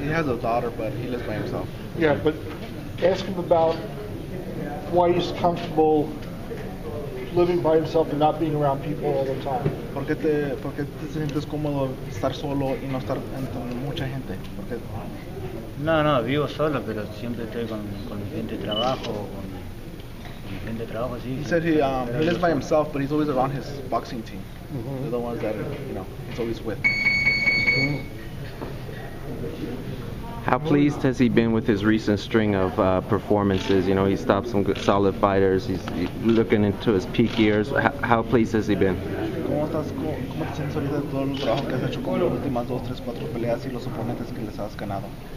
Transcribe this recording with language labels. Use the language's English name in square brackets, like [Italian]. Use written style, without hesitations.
[English] He has a daughter, but he lives by himself. Yeah, but ask him about why he's comfortable living by himself and not being around people all the time. [Spanish] ¿Por qué te sientes cómodo estar solo y no estar con mucha gente? ¿Por qué? No, vivo solo, pero siempre estoy con gente de trabajo, con gente de trabajo, sí. [English] He said he lives by himself, but he's always around his boxing team. Mm-hmm. They're the ones that, you know, he's always with. How pleased has he been with his recent string of performances? You know, he stopped some good, solid fighters. He's looking into his peak years. How pleased has he been? [Spanish] ¿Cómo estás? ¿Cómo te sientes ahorita de todo el trabajo que has hecho con las últimas dos, tres, cuatro peleas y los oponentes que les has ganado?